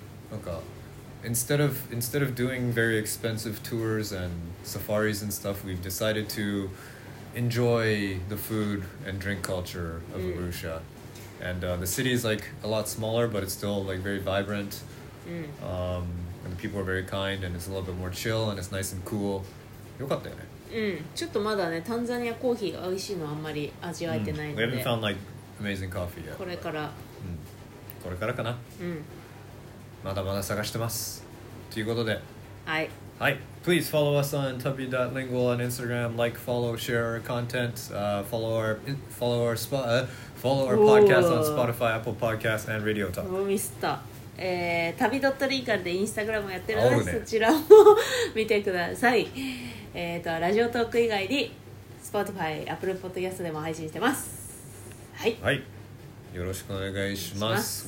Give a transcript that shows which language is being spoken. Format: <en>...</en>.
<ja>なんか、</ja> <en>instead of doing very expensive tours and safaris and stuff, we've decided to enjoy the food and drink culture of Arusha. And the city is like a lot smaller, but it's still like very vibrant. Mm. And the people are very kind, and it's a little bit more chill, and it's nice and cool.</en> <ja>よかったよね。うん。ちょっとまだね、タンザニアコーヒーが美味しいのはあんまり味わえてないので。</ja> <en>We haven't found like amazing coffee yet.</en> <ja>これから。うん。これからかな。うん。まだまだ探してます。ということで。はい。はい。</ja> <en>Please follow us on tubby.lingual on Instagram. Like, follow, share our content. Follow our spot. Follow our podcast on Spotify, Apple Podcasts, and Radio Talk.</en> <ja>もうミスった。旅ドットリンカルでインスタグラムやってるので、そちらも見てください。ラジオトーク以外に Spotify、Apple Podcasts でも配信してます。はい。はい。よろしくお願いします。</ja>